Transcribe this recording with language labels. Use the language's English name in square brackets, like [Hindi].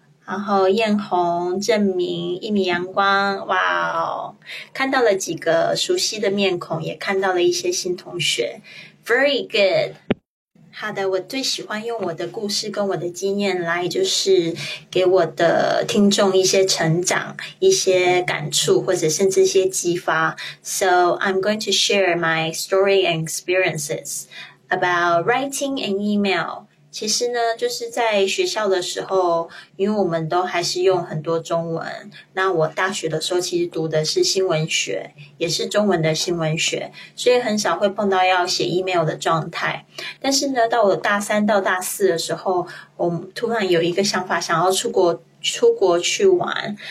[Chinese] 然后，艳红、郑明、一米阳光，哇哦，看到了几个熟悉的面孔，也看到了一些新同学， [English] very good。 [Chinese] 好的，我最喜欢用我的故事跟我的经验来，就是给我的听众一些成长、一些感触，或者甚至一些激发。 [English] So I'm going to share my story and experiences about writing and email。 [Chinese] 其实呢，就是在学校的时候，因为我们都还是用很多中文。那我大学的时候其实读的是新闻学，也是中文的新闻学，所以很少会碰到要写 email 的状态。但是呢，到我大三到大四的时候，我突然有一个想法，想要出国去玩。